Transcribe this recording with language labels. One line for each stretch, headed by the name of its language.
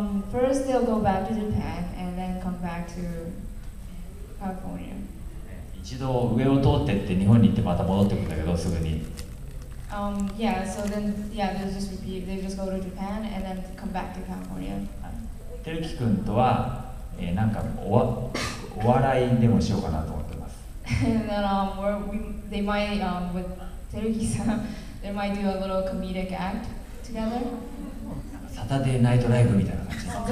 English: First they'll go back to Japan and then come back to California.
Japanese: 一度上を通ってって日本に行ってまた戻ってくるんだけど、すぐに
English: they just go to Japan and then come back to California.
Japanese: テルキ君とはなんかお笑いでもしようかなと思ってます。
English: Then, they might, with Teruki-san, they might do a little comedic act together.
Japanese: サタデーナイトライブみたいな感じ。